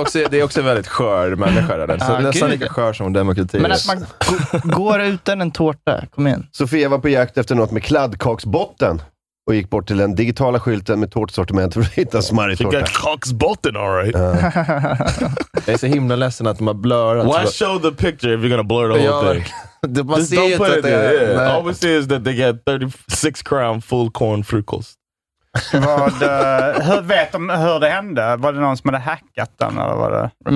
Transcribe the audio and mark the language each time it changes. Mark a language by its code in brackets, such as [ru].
[sv] Det är också en väldigt skör människa där. Så nästan lika skör som demokrati. Men att man går utan en tårta. Kom igen. Sofia var på jakt efter något med kladdkaksbotten och gick bort till den digitala skylten med tårtsortiment för att hitta smarrig tårta. [en] She got kaksbotten, all right. [sv] Jag är så himla ledsen att de har blurrat. [en] Why show the picture if you're gonna blur the whole thing? [sv] Det man ser ju att det är... [en] All we see is that they get 36 crown full corn frukost. [sv] Hur vet de hur det hände? Var det någon som hade hackat den eller var det?